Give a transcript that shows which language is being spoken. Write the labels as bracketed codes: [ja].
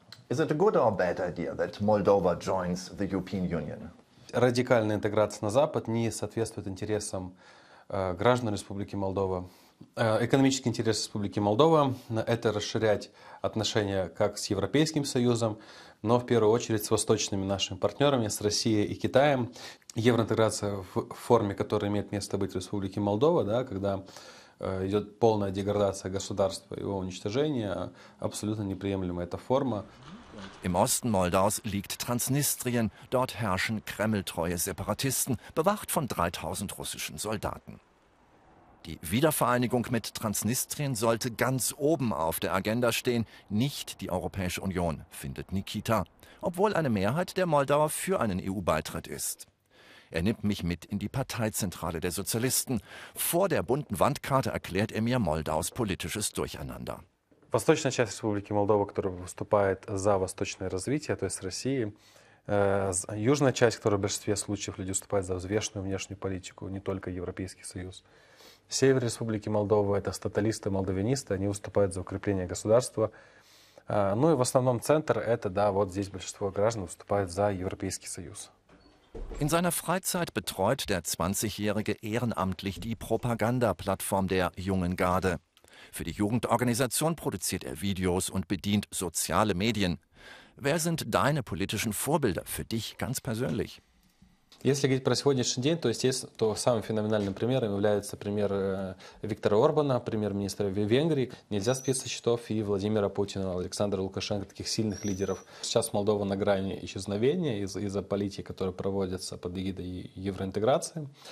[en] Is it a good or bad idea that Moldova joins the European Union? [ru] Радикальная интеграция на Запад не соответствует интересам граждан Республики Молдова. Экономический интерес Республики Молдова – это расширять отношения как с Европейским Союзом, но в первую очередь с восточными нашими партнерами, с Россией и Китаем. Евроинтеграция в форме, которая имеет место быть в Республике Молдова, да, когда идет полная деградация государства, его уничтожение, абсолютно неприемлемая эта форма. [de] Im Osten Moldaus liegt Transnistrien. Dort herrschen kremltreue Separatisten, bewacht von 3000 russischen Soldaten. Die Wiedervereinigung mit Transnistrien sollte ganz oben auf der Agenda stehen, nicht die Europäische Union, findet Nikita, obwohl eine Mehrheit der Moldauer für einen EU-Beitritt ist. Er nimmt mich mit in die Parteizentrale der Sozialisten. Vor der bunten Wandkarte erklärt er mir Moldaus politisches Durcheinander. [ru] Восточная часть Республики Молдова, которая выступает за восточное развитие, то есть России. Южная часть, которая в большинстве случаев люди выступают за взвешенную внешнюю политику, не только Европейский Союз. север Республики Молдова, это статалисты, молдовинисты, они выступают за укрепление государства. Ну и в основном центр, это, да, вот здесь большинство граждан выступает за Европейский Союз. [de] In seiner Freizeit betreut der 20-Jährige ehrenamtlich die Propaganda-Plattform der Jungen Garde. Für die Jugendorganisation produziert er Videos und bedient soziale Medien. Wer sind deine politischen Vorbilder für dich ganz persönlich? [ru] Если говорить про сегодняшний день, то естественно, то самым феноменальным примером является пример Виктора Орбана, премьер-министра Венгрии. Нельзя списать со счетов и Владимира Путина, Александра Лукашенко, таких сильных лидеров. Сейчас Молдова на грани исчезновения из-за политики, которая проводится под эгидой евроинтеграции.